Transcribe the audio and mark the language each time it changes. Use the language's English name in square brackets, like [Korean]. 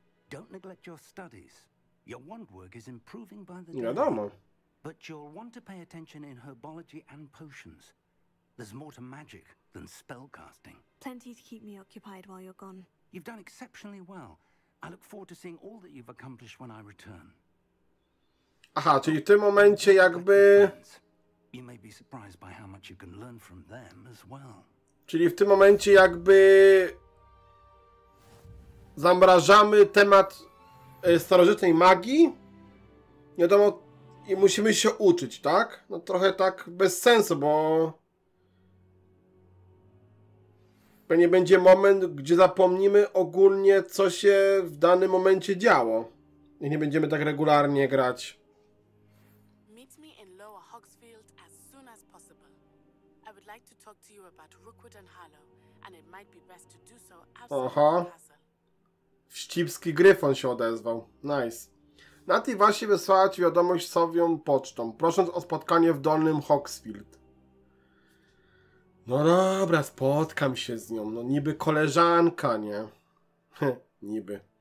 [English] Don't neglect your studies. Your wand work is improving by the day. [Polish] Wiadomo. [English] But you'll want to pay attention in herbology and potions. There's more to magic than spell casting. Plenty to keep me occupied while you're gone. You've done exceptionally well. I look forward to seeing all that you've accomplished when I return. [Polish] Aha, czyli w tym momencie jakby... [English] You may be surprised by how much you can learn from them as well. [Polish] Czyli w tym momencie jakby zamrażamy temat starożytnej magii. Nie wiadomo, i musimy się uczyć, tak? No trochę tak bez sensu, bo pewnie będzie moment, gdzie zapomnimy ogólnie, co się w danym momencie działo. I nie będziemy tak regularnie grać. [English] Meet me in Lower Hogsfield as soon as possible. I would like to talk to you about Rookwood and Harlow, and it might be best to do so outside the castle. [Polish] Wścibski gryfon się odezwał. [English] Nice. [Polish] Natty właśnie wysłała ci wiadomość sobie pocztą, prosząc o spotkanie w Dolnym Hogsfield. No dobra, spotkam się z nią. No niby koleżanka, nie? Niby.